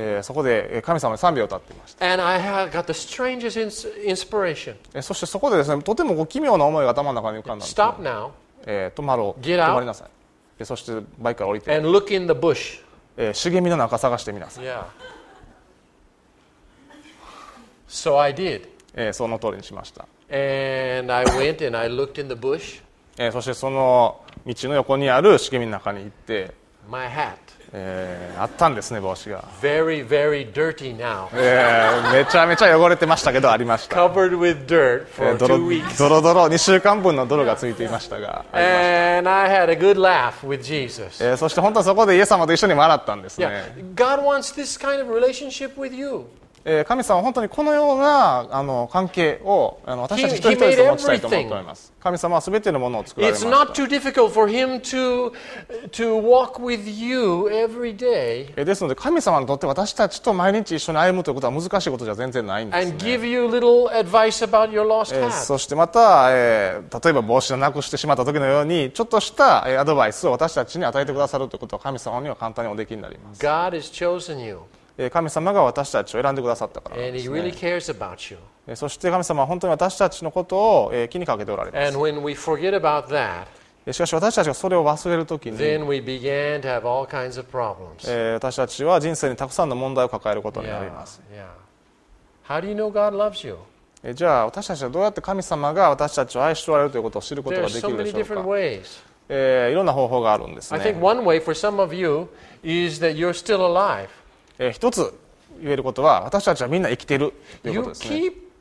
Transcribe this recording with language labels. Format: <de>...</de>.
<ja>そこで神様に賛美を歌っていました。</ja> <en>And I have got the strangest inspiration.</en> <ja>そしてそこでですね、とても奇妙な思いが頭の中に浮かんだんです。</ja> <en>Stop now.</en> <ja>止まろう。</ja> <en>Get out.</en> <ja>止まりなさい。そしてバイクから降りて。</ja> <en>And look in the bush.</en> <ja>茂みの中探してみなさい。</ja> <en>So I did.</en> <ja>その通りにしました。</ja> <en>And I went and I looked in the bush.</en> <ja>そしてその道の横にある茂みの中に行って、</ja> <en>My hat.</en> <ja>あったんですね、帽子が。</ja> <en>Very, very dirty now.</en> <ja>めちゃめちゃ汚れてましたけど、ありました。</ja> <en>Covered with dirt for two weeks.</en> <ja>ドロドロ、2週間分の泥がついていましたが、</ja> <en>And I had a good laugh with Jesus.</en> <ja>そして本当はそこでイエス様と一緒に笑ったんですね。</ja> <en>Yeah. God wants this kind of relationship with you.</en> <ja>神様は本当にこのようなあの関係を私たち一人一人と持ちたいと思っております。神様は全てのものを作られました。</ja> <en>It's not too difficult for him to walk with you every day.</en> <ja>ですので神様にとって私たちと毎日一緒に歩むということは難しいことじゃ全然ないんですね。</ja> <en>And give you little advice about your lost hat.</en> <ja>そしてまた、例えば帽子をなくしてしまった時のようにちょっとしたアドバイスを私たちに与えてくださるということは神様には簡単におできになります。</ja> <en>God has chosen you.</en> <ja>神様が私たちを選んでくださったからですね。</ja> <en>And he really cares about you.</en> <ja>そして神様は本当に私たちのことを気にかけておられます。</ja> <en>And when we forget about that,</en> <ja>しかし私たちがそれを忘れるときに</ja> <en>then we began to have all kinds of problems.</en> <ja>私たちは人生にたくさんの問題を抱えることになります。</ja> <en>Yeah. How do you know God loves you?</en> <ja>じゃあ私たちはどうやって神様が私たちを愛しておられるということを知ることができるでしょうか。</ja> <en>There are so many different ways.</en> <ja>いろんな方法があるんですね。</ja> <en>I think one way for some of you is that you're still alive.</en> <ja>一つ言えることは私たちはみんな生きているということですね。</ja>